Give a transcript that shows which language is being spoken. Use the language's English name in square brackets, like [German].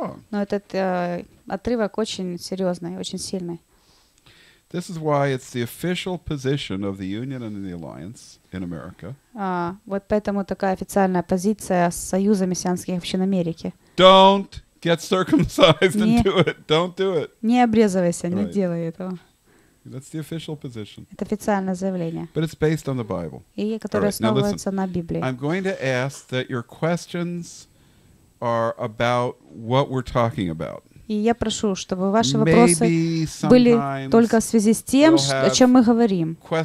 [Russian] Но этот отрывок очень серьезный, очень сильный. [English] This is why it's the official position of the Union and the Alliance in America. [Russian] Вот поэтому такая официальная позиция Союза мессианских общин Америки. [English] Don't get circumcised and do it. Don't do it. [Russian] Не обрезывайся, не делай этого. [English] That's the official position. [Russian] Это официальное заявление. [English] But it's based on the Bible. [Russian] И которое основывается на Библии. [English] I'm going to ask that your questions are about what we're talking about. [Russian] И я прошу, чтобы ваши вопросы были только в связи с тем, о чем мы говорим.